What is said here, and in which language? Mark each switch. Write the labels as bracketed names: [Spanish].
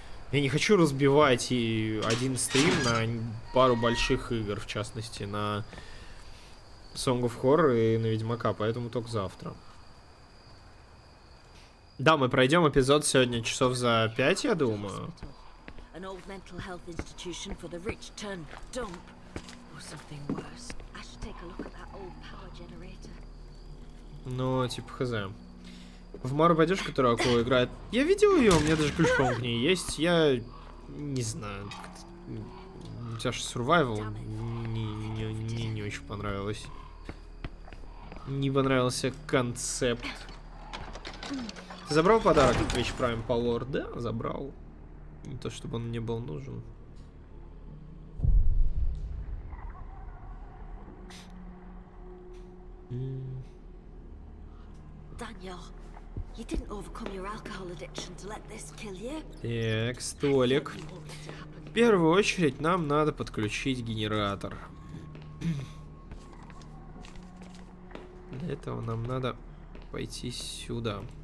[Russian] Я не хочу разбивать и один стрим на пару больших игр, в частности, на Song of Horror и на Ведьмака, поэтому только завтра. Да, мы пройдем эпизод сегодня часов за 5, я думаю. [English] An old mental health institution for the rich turned dump. Or something worse. I should take a look at that old power generator. [Russian] Ну, типа хз. В Мару пойдешь, которая акула играет. Я видел ее, у меня даже ключ, по-моему, к ней есть. Я не знаю. У тебя же survival не очень понравилось. Не понравился концепт. Ты забрал подарок от Twitch Prime Power? Да, забрал. Не то, чтобы он мне был нужен. [English] Daniel, you didn't overcome your alcohol addiction to let this kill you. [Russian] Так, столик. В первую очередь нам надо подключить генератор. Для этого нам надо пойти сюда.